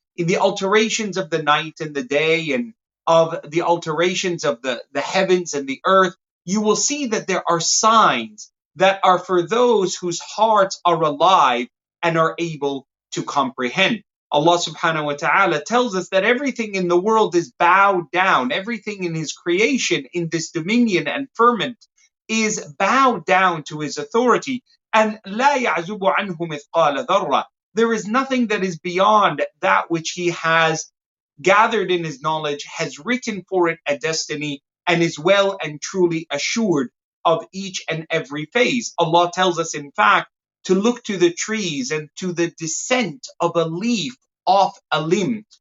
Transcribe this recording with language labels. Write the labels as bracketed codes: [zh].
[en] In the alterations of the night and the day and of the alterations of the heavens and the earth, you will see that there are signs that are for those whose hearts are alive and are able to comprehend. Allah subhanahu wa ta'ala tells us that everything in the world is bowed down. Everything in His creation, in this dominion and firmament, is bowed down to His authority. And [ar] لا يعزب عنه مثقال ذرة. [en] There is nothing that is beyond that which He has gathered in His knowledge, has written for it a destiny, and is well and truly assured of each and every phase. Allah tells us, in fact, to look to the trees and to the descent of a leaf off a limb.